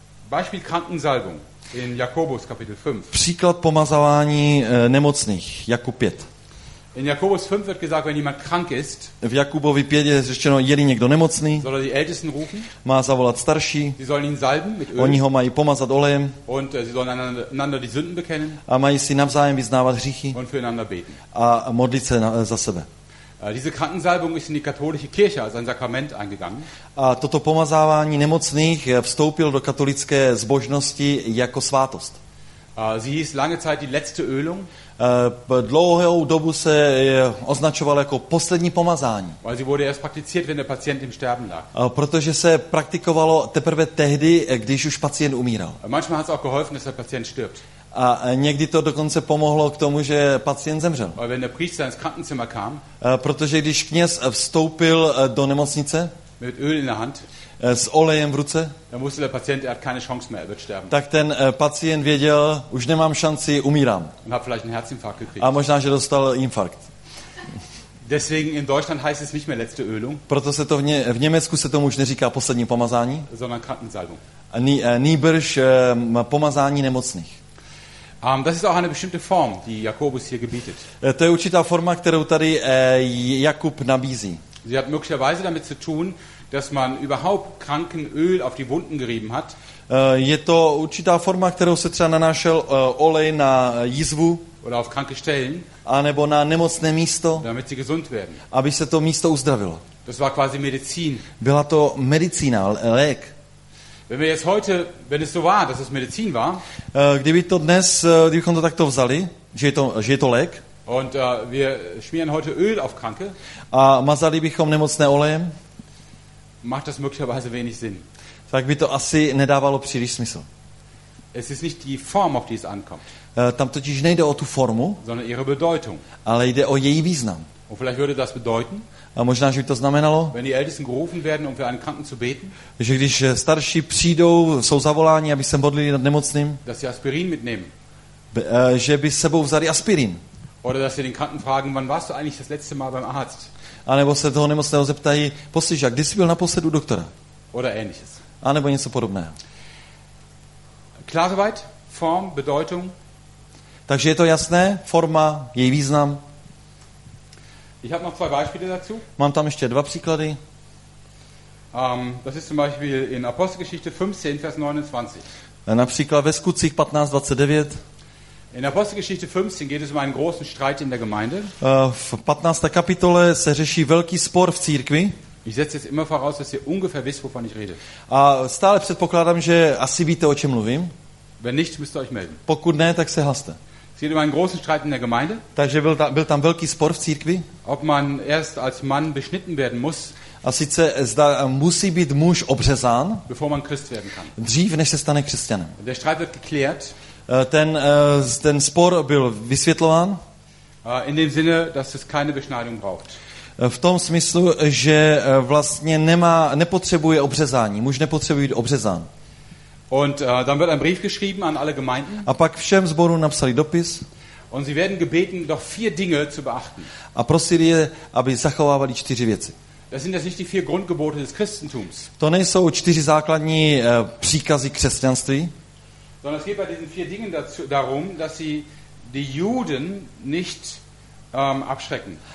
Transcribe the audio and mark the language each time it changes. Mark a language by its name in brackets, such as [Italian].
[German] Beispiel Krankensalbung in Jakobus Kapitel 5. [Czech] Příklad pomazávání nemocných, Jakub 5. [German] In Jakobus 5 wird gesagt, wenn jemand krank ist, [Czech] v Jakubovi 5 je řečeno, je-li někdo nemocný, [German] soll er die Ältesten rufen, [Czech] má zavolat starší, [German] sie sollen ihn salben mit [Czech] Öl, oni ho mají pomazat olejem, [German] und sie sollen einander die Sünden bekennen, [Czech] a mají si navzájem vyznávat hříchy, [German] und füreinander beten, [Czech] a modlit se za sebe. [German] Diese Krankensalbung ist in die katholische Kirche als ein Sakrament eingegangen. [Czech] A toto pomazávání nemocných vstoupil do katolické zbožnosti jako svátost. [German] Sie hieß lange Zeit die letzte Ölung. [Czech] Dlouhou dobu se označoval jako poslední pomazání. [German] Weil sie wurde erst praktiziert, wenn der Patient im Sterben lag. [Czech] Protože se praktikovalo teprve tehdy, když už pacient umíral. [German] Manchmal hat es auch geholfen, dass der Patient stirbt. [Czech] A někdy to dokonce pomohlo k tomu, že pacient zemřel. [German] Weil wenn der Priester ins Krankenzimmer kam, [Czech] protože když kněz vstoupil do nemocnice, [German] mit Öl in der Hand, [Czech] s olejem v ruce, [German] dann wusste der Patient, er hat keine Chance mehr, er wird sterben. [Czech] Tak ten pacient věděl, už nemám šanci, umírám. [German] Und hat vielleicht einen Herzinfarkt gekriegt. [Czech] A možná, že dostal infarkt. [German] Deswegen in Deutschland heißt es nicht mehr letzte Ölung. [Czech] Proto se to v Německu se tomu už neříká poslední pomazání. [German] Sondern Krankensalbung. [Czech] Nýbrž pomazání nemocných. [German] Das ist auch eine bestimmte Form, die Jakobus hier gebietet. [Czech] To je určitá forma, kterou tady Jakub nabízí. [German] Sie hat möglicherweise damit zu tun, dass man überhaupt kranken Öl auf die Wunden gerieben hat. [Czech] Je to určitá forma, kterou se třeba nanášel olej na jizvu [German] oder auf kranke Stellen, [Czech] a nebo na nemocné místo, [German] damit sie gesund werden. [Czech] Aby se to místo uzdravilo. [German] Das war quasi Medizin. [Czech] Byla to medicína, lék. [German] Wenn wir jetzt heute, wenn es so war, dass es Medizin war, [Czech] kdyby to dnes, kdybychom to takto vzali, že je to lék, [German] und wir schmieren heute Öl auf Kranke, [Czech] a mazali bychom nemocné olejem, [German] macht das möglicherweise wenig Sinn. [Czech] Tak by to asi nedávalo příliš smysl. [German] Es ist nicht die Form, auf die es ankommt. [Czech] Tam totiž nejde o tu formu, [German] sondern ihre Bedeutung. [Czech] Ale jde o její význam. [German] Und vielleicht würde das bedeuten, [Czech] a možná, že by to znamenalo, [German] wenn die Ältesten gerufen werden, um für einen Kranken zu beten, [Czech] že když starší přijdou, jsou zavoláni, aby se modlili nad nemocným, [German] dass sie Aspirin mitnehmen. [Czech] Že by s sebou vzali aspirin. [German] Oder dass sie den Kranken fragen, wann warst du eigentlich das letzte Mal beim Arzt? [Czech] A nebo se toho nemocného zeptají, poslíš, a kdy jsi byl naposled u doktora? [German] Oder ähnliches. [Czech] A nebo něco podobného. [German] Klar soweit? Form, Bedeutung? [Czech] Takže je to jasné? Forma, její význam? [German] Ich habe noch zwei Beispiele dazu. [Czech] Mám tam ještě dva příklady. [German] Das ist zum Beispiel in Apostelgeschichte 15, Vers 29. [Czech] Například ve Skutcích 15:29. [German] In Apostelgeschichte 15 geht es um einen großen Streit in der Gemeinde. [Czech] V 15. kapitole se řeší velký spor v církvi. [German] Ich setze jetzt immer voraus, dass ihr ungefähr wisst, wovon ich rede. [Czech] A stále předpokládám, že asi víte, o čem mluvím. [German] Wenn nicht, müsst ihr euch melden. [Czech] Pokud ne, tak se haste. [German] Es geht um einen großen Streit in der Gemeinde. [Czech] Takže byl tam velký spor v církvi. [German] Ob man erst als Mann beschnitten werden muss. [Czech] A sice zda musí být muž obřezán. [German] Bevor man Christ werden kann. [Czech] Dřív, než se stane křesťanem. [German] Der Streit wird geklärt. [Czech] Ten spor byl vysvětlován. [German] In dem Sinne, dass es keine Beschneidung braucht. [Czech] V tom smyslu, že vlastně nepotřebuje obřezání. Muž nepotřebuje být obřezán. [German] Und dann wird ein Brief geschrieben an alle Gemeinden. [Czech] A pak všem zborům napsali dopis. [German] Und sie werden gebeten, doch vier Dinge zu beachten. [Czech] A prosili je, aby zachovávali čtyři věci. [German] Das sind jetzt nicht die vier Grundgebote des Christentums. [Czech] To nejsou čtyři základní příkazy křesťanství. [German] Sondern es geht bei diesen vier Dingen darum, dass sie die Juden nicht abschrecken.